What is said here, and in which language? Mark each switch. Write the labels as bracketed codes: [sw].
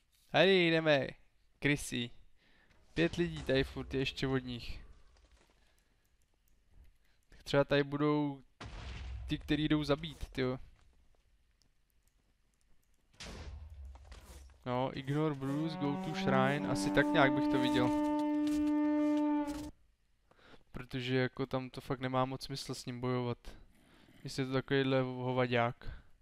[cs] Tady jdeme, Chrissy. Pět lidí tady furt je ještě od nich. Tak třeba tady budou ty, kteří jdou zabít, tyjo. [en] No, ignore Bruce, go to shrine. [cs] Asi tak nějak bych to viděl. Protože jako tam to fakt nemá moc smysl s ním bojovat. Jestli je to takovýhle hovaďák.